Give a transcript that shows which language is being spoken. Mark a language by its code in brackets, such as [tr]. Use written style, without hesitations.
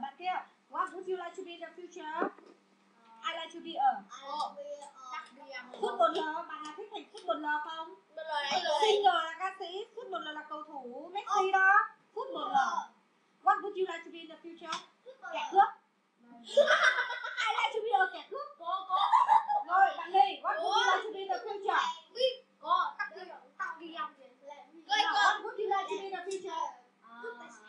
[vi] Bạn kia, [en] what would you like to be in the future? I like to be a football. [vi] Bạn nào thích thành football không? Singer là ca sĩ, football là cầu thủ Messi đó. [en] Football. What would you like to be in the future? [vi] Kẻ cướp. [en] I like to be a [vi] kẻ cướp. Cô. Rồi bạn Lê, [en] what would you like to be in the future? [vi] Cô. Tắt đi ông đi. [en] What would you like to be in the future?